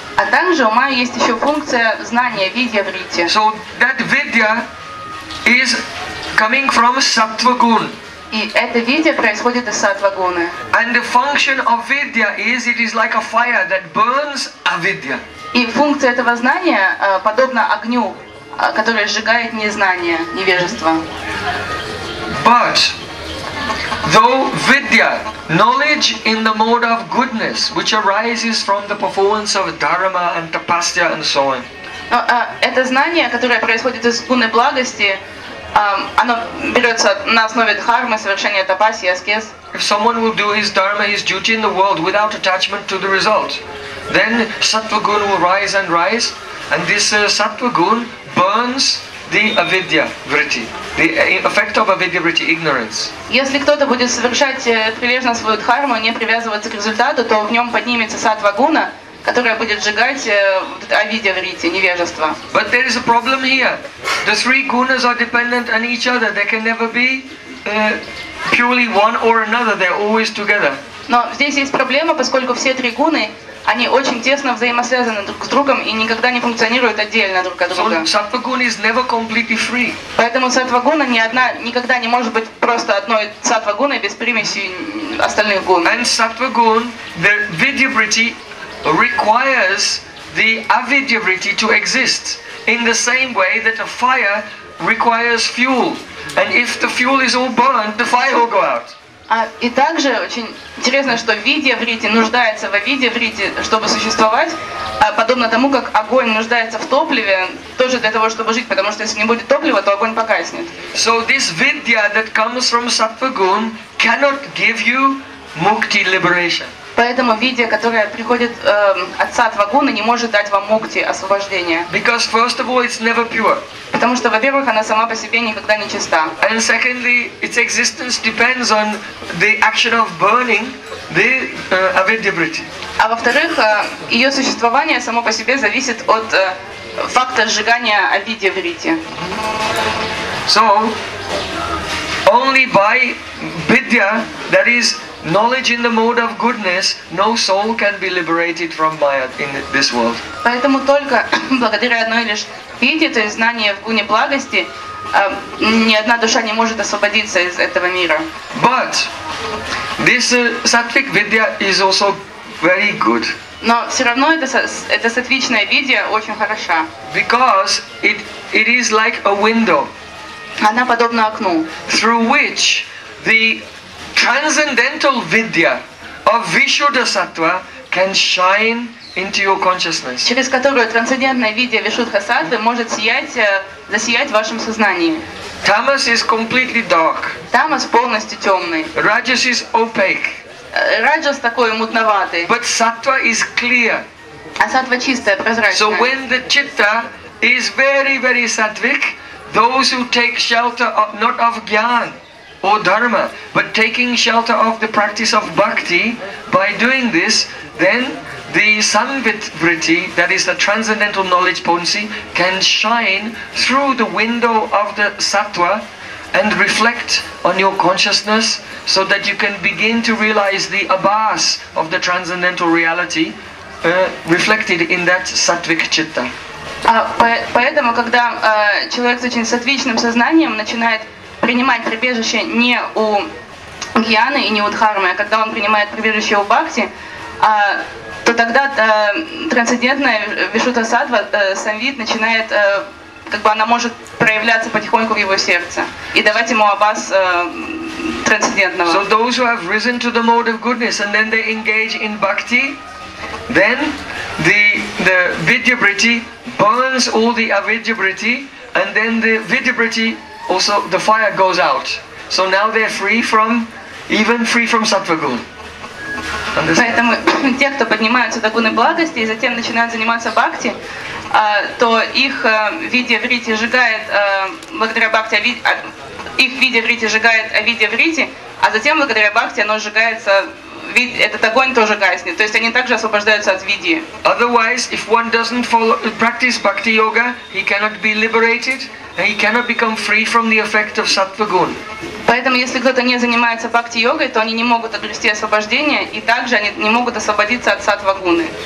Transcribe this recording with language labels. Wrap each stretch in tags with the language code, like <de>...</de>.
<ru>А также у Майи есть еще функция знания, Vidya vritti.</ru> <en>So that Vidya is coming from Sattva Gun.</en> <ru>И это Vidya происходит из Sattva Guna.</ru> <en>And the function of Vidya is it is like a fire that burns Avidya.</en> <ru>И функция этого знания подобна огню, который сжигает незнание, невежество.</ru> <en>But though Vidya, knowledge in the mode of goodness, which arises from the performance of dharma and tapasya and so on.</en> <ru>Это знание, которое происходит из гуны благости, оно берется на основе дхармы, совершения тапаси, аскез.</ru> <en>If someone will do his dharma, his duty in the world without attachment to the result, then sattva-guna will rise and rise, and this sattva-guna burns the avidya vritti, the effect of avidya vritti, ignorance.</en> <ru>Если кто-то будет совершать прилежно свою дхарму, не привязываться к результату, то в нем поднимется сатва-гуна, которая будет сжигать авидья вритти, невежество.</ru> <en>But there is a problem here. The three gunas are dependent on each other. They can never be purely one or another. They're always together.</en> <ru>Но здесь есть проблема, поскольку все три гуны, они очень тесно взаимосвязаны друг с другом и никогда не функционируют отдельно друг от друга.</ru> <en>So, sattva-guna is never completely free.</en> <ru>Поэтому сатва-гуна ни одна никогда не может быть просто одной сатва-гуной без примеси остальных гун.</ru> <en>And sattva-guna, the vidya-vritti requires the avidya-vritti to exist in the same way that a fire requires fuel. And if the fuel is all burned, the fire will go out.</en> <ru>И также очень интересно, что видья-вритти нуждается в авидья-вритти, чтобы существовать, подобно тому, как огонь нуждается в топливе, тоже для того, чтобы жить, потому что если не будет топлива, то огонь погаснет.</ru> <en>So this vidya that comes from sattva-guna cannot give you mukti liberation.</en> <ru>Поэтому видья, которая приходит от сатва-гуны, не может дать вам мукти, освобождение.</ru> <en>Because first of all, it's never pure.</en> <ru>Потому что, во-первых, она сама по себе никогда не чиста.</ru> <en>And secondly, its existence depends on the action of burning the avidya-vritti.</en> <ru>А во-вторых, ее существование само по себе зависит от факта сжигания авидья-вритти.</ru> <en>So, only by vidya, that is knowledge in the mode of goodness, no soul can be liberated from maya in this world.</en> <ru>Поэтому только благодаря одной лишь видье, то есть знание в гуне благости, ни одна душа не может освободиться из этого мира.</ru> <en>But this sattvic vidya is also very good.</en> <ru>Но все равно это сатвичное видье очень хороша.</ru> <en>Because it is like a window.</en> <ru>Она подобна окну.</ru> <en>Through which the transcendental vidya of Vishuddha Sattva can shine into your consciousness.</en> <ru>Через которую трансцендентная видья Вишудха Саттвы может засиять в вашем сознании.</ru> <en>Tamas is completely dark.</en> <ru>Tamas полностью темный.</ru> <en>Rajas is opaque.</en> <ru>Rajas такой мутноватый.</ru> <en>But Sattva is clear.</en> <ru>А Саттва чистая, прозрачная.</ru> <en>So when the Chitta is very, very sattvic, those who take shelter of, not of Jnana, or dharma, but taking shelter of the practice of bhakti, by doing this, then the samvit vritti, that is the transcendental knowledge potency, can shine through the window of the sattva and reflect on your consciousness so that you can begin to realize the abhas of the transcendental reality reflected in that sattvic chitta.</en> <ru>Поэтому, когда человек с очень сатвичным сознанием начинает принимать прибежище не у Гьяны и не у Дхармы, а когда он принимает прибежище у Бхакти, то тогда трансцендентная Вишудха Саттва, самвит, начинает, как бы она может проявляться потихоньку в его сердце и давать ему абас трансцендентного.</ru> <en>So those who have risen to the mode of goodness and then they engage in bhakti, then the vidya-vritti burns all the avidya-vritti, and then the vidya-vritti also, the fire goes out. So now they're free from sattva-guna.</en> <ru>Поэтому те, кто поднимаются до гуны благости и затем начинают заниматься бхакти, то их видья-вритти сжигает благодаря бхакти, их видья-вритти сжигает авидья-вритти, а затем благодаря бхакти оно сжигается, этот огонь тоже гаснет. То есть они также освобождаются от видьи.</ru> <en>Otherwise, if one doesn't follow practice bhakti yoga, he cannot be liberated. He cannot become free from the effect of sattva-guna.</en> <ru>Поэтому, если кто-то не занимается бхакти-йогой, то они не могут обрести освобождение, и также они не могут освободиться от сатва-гуны.</ru>